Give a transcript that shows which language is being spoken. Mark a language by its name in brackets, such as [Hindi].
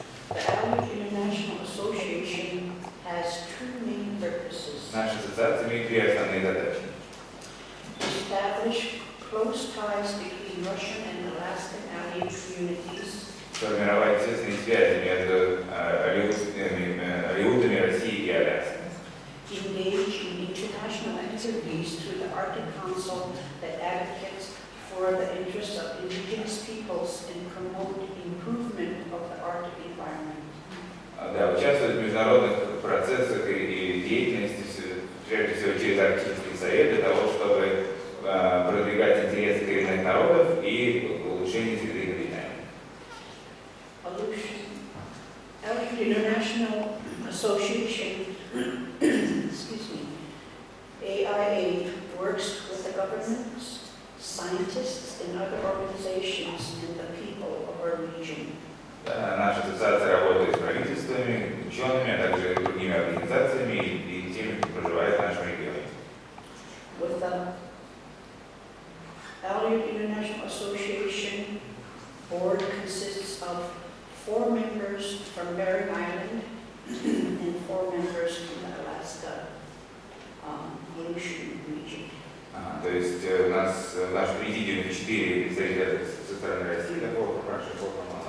[English] The Aleut International Association has two main purposes. [Russian] Наша ассоциация имеет две основные задачи. [English] Establish close ties between Russian and Alaskan Aleut communities. [Russian] Формировать тесные связи между Алеутами России и Аляской. [English] Engage in international activities through the Arctic Council that advocates for the interests of indigenous peoples and promote improvement of the Arctic environment. [Russian] Да, участвовать в международных процессах и деятельности, прежде всего через Арктический совет, для того, чтобы продвигать интересы коренных народов и улучшение среды обитания. [English] Aleut International Association, AIA, works with the governments, scientists and other organizations and the people of our region. [Russian] Наша ассоциация работает с правительствами, учеными, а также другими организациями и теми, кто проживает в нашем регионе. [English] With the Aleut International Association board consists of four members from Bering Island and four members from the Alaska Aleutian region. [Russian] То есть у нас в нашем президиуме 4 представителя со стороны России, да, по прошу, по вам.